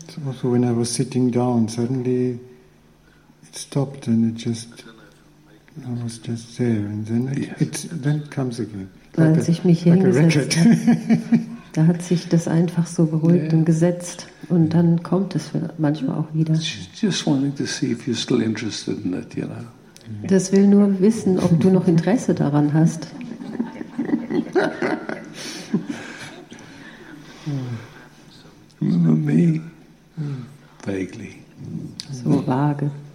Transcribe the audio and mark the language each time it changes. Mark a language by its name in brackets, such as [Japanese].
[English] So also when I was sitting down, suddenly it stopped and it just. I was just there, and then it comes again. [German] Like als ich mich hier hingesetzt habe, da hat sich das einfach so beruhigt und gesetzt, und dann kommt es manchmal auch wieder. [English] Just wanting to see if you're still interested in it, you know. [German] Das will nur wissen, ob du noch Interesse daran hast. [English] Remember me? Vaguely. [German] So vage.